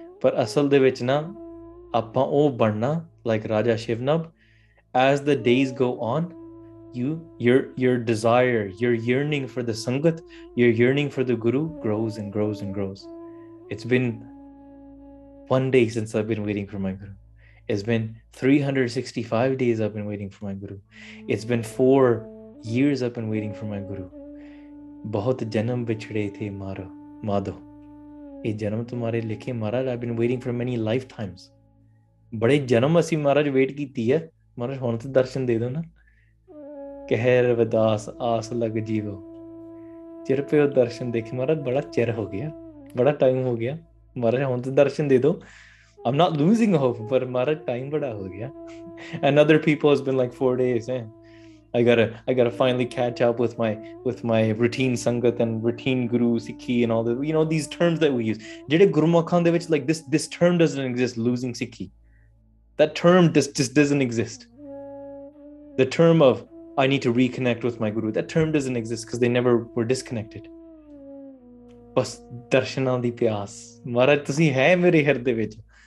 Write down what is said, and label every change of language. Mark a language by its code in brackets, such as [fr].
[en] But [pa] asal de vich na, apan o banna, [en] like Raja Shivnab, as the days go on, your desire, your yearning for the Sangat, your yearning for the Guru grows and grows and grows. It's been one day since I've been waiting for my Guru. It's been 365 days I've been waiting for my Guru. It's been 4 years I've been waiting for my Guru. [pa] ਬਹੁਤ ਜਨਮ ਵਿਛੜੇ ਥੇ ਮਾਰੋ ਮਾਧੋ ਇਹ ਜਨਮ ਤੁਹਾਰੇ ਲਿਖੇ ਮਹਾਰਾਜ [en] I been waiting for many lifetimes [pa] ਬੜੇ ਜਨਮ ਅਸੀਂ ਮਹਾਰਾਜ ਵੇਟ ਕੀਤੀ ਹੈ ਮਹਾਰਾਜ ਹੁਣ ਤਾਂ ਦਰਸ਼ਨ ਦੇ ਦਿਓ ਨਾ ਕਹਿ ਰਵਿਦਾਸ ਆਸ ਲੱਗ ਜੀਵੋ ਚਿਰ ਪਿਓ ਦਰਸ਼ਨ ਦੇਖੇ ਮਹਾਰਾਜ ਬੜਾ ਚਿਰ ਹੋ ਗਿਆ ਬੜਾ ਟਾਈਮ ਹੋ ਗਿਆ ਮਹਾਰਾਜ ਹੁਣ ਤਾਂ ਦਰਸ਼ਨ ਦੇ ਦਿਓ [en] am not losing hope [pa] ਪਰ ਮਹਾਰਾਜ ਟਾਈਮ ਬੜਾ ਹੋ ਗਿਆ [en] and other people has been like 4 days [pa] ਹੈ [en] I gotta finally catch up with my routine sangat and routine guru sikhi and all the these terms that we use. [pa] Jede gurmukhan de vich [en] like this term doesn't exist. Losing sikhi, that term just doesn't exist. The term of I need to reconnect with my guru, that term doesn't exist because they never were disconnected. [pa] Bas darshanan di pyaas, Maharaj tusi hai mere hirde vich.